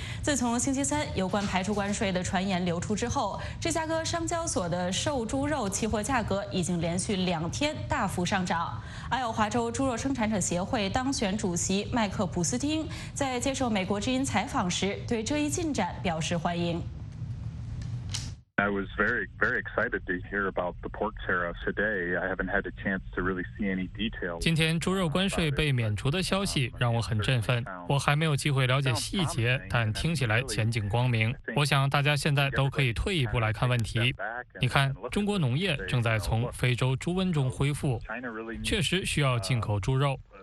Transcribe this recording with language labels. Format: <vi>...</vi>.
<zh>自从星期三有关排除关税的传言流出之后，芝加哥商交所的瘦猪肉期货价格已经连续两天大幅上涨。爱奥华州猪肉生产者协会当选主席麦克普斯汀在接受美国之音采访时对这一进展表示欢迎。</zh> <en>I was very, very excited to hear about the pork tariffs today. I haven't had a chance to really see any details.</en> <zh>今天猪肉关税被免除的消息让我很振奋。我还没有机会了解细节，但听起来前景光明。我想大家现在都可以退一步来看问题。你看，中国农业正在从非洲猪瘟中恢复，确实需要进口猪肉。</zh>